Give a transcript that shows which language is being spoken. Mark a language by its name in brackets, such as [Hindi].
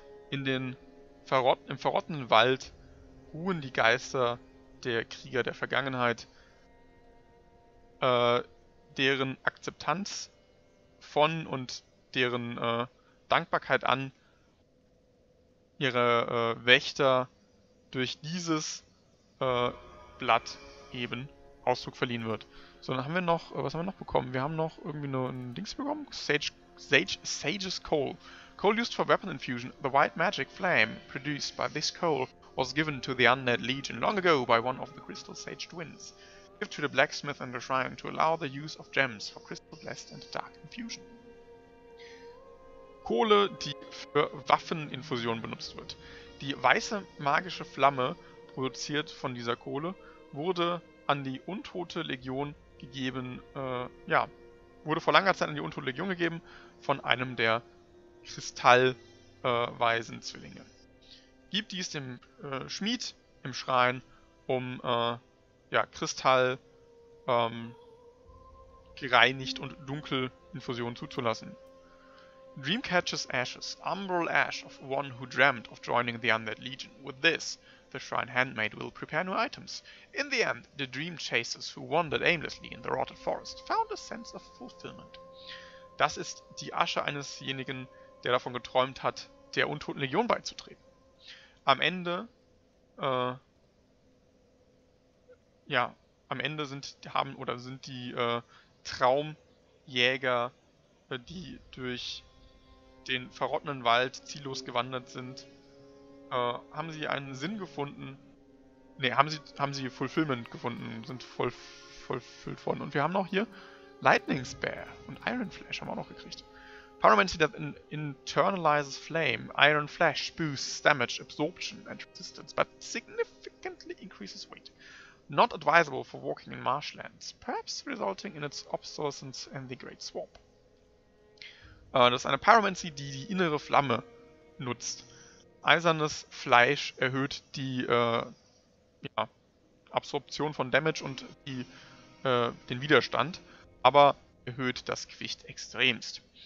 [German] Im verrottenen Wald ruhen die Geister der Krieger der Vergangenheit, deren Akzeptanz von und deren Dankbarkeit an ihre Wächter durch dieses Blatt eben Ausdruck verliehen wird. So, dann haben wir noch, was haben wir noch bekommen? Wir haben noch irgendwie nur ein Dings bekommen. [English] Sage's Coal. Coal used for weapon infusion. The white magic flame produced by this coal was given to the Undead Legion long ago by one of the Crystal Sage Twins. Give to the blacksmith and the shrine to allow the use of gems for crystal blessed and dark infusion. [German] Kohle, die für Waffeninfusion benutzt wird. Die weiße magische Flamme, produziert von dieser Kohle, wurde an die Untote Legion gegeben, ja, wurde vor langer Zeit an die Untote Legion gegeben von einem der kristallweisen Zwillinge. Gib dies dem Schmied im Schrein, um ja, Kristall gereinigt und dunkel Infusion zuzulassen. [English] Dreamcatcher's Ashes, Umbral Ash of one who dreamt of joining the Undead Legion. With this, the Shrine Handmaid will prepare new items. In the end, the Dream Chasers, who wandered aimlessly in the Rotted Forest, found a sense of fulfillment. [German] Das ist die Asche einesjenigen, der davon geträumt hat, der Untoten Legion beizutreten. Am Ende, ja, am Ende sind die Traumjäger, die durch den verrottenen Wald ziellos gewandert sind, haben sie einen Sinn gefunden. Ne, haben sie Fulfillment gefunden, sind vollfüllt worden. Und wir haben noch hier Lightning Spear und Iron Flash haben wir auch noch gekriegt. [English] Pyromancy that internalizes flame, iron flash boosts damage, absorption and resistance, but significantly increases weight. Not advisable for walking in marshlands, perhaps resulting in its obsolescence and the Great Swamp. [German] Das ist eine Pyromancy, die die innere Flamme nutzt. Eisernes Fleisch erhöht die ja, Absorption von Damage und die, den Widerstand, aber erhöht das Gewicht extremst.